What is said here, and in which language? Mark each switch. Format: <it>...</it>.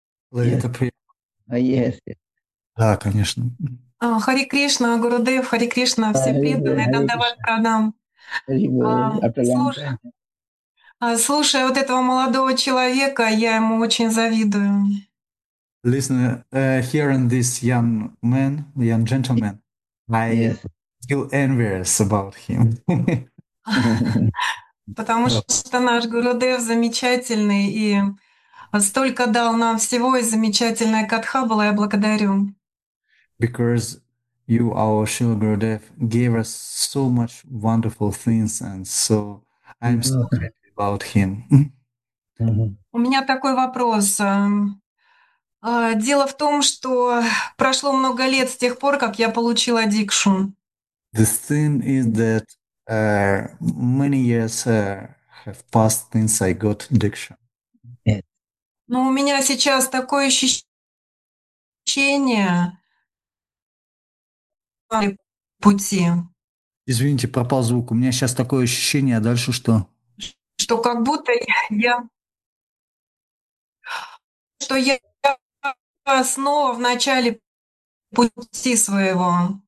<ru>Это да, конечно. Харе Кришна, Гурудев, Харе Кришна, все преданные, Дандават Пранам. Слушая вот этого молодого человека, я ему очень завидую.</ru> <en>Listen, hearing this young man, young gentleman, I feel envious about him.</en> <ru>Потому что наш Гурудев замечательный и столько дал нам всего, и замечательная катха была, я благодарю.</ru> <en>Because you, our Srila Gurudev, gave us so much wonderful things, and so I'm so happy about him.</en> <ru>У меня такой вопрос. Дело в том, что прошло много лет с тех пор, как я получила дикшу.</ru> <en>The thing is that many years have passed since I got diksha.</en> <ru>Но у меня сейчас такое ощущение пути. Извините, пропал звук. У меня сейчас такое ощущение, а дальше что? Что как будто я снова в начале пути своего.</ru>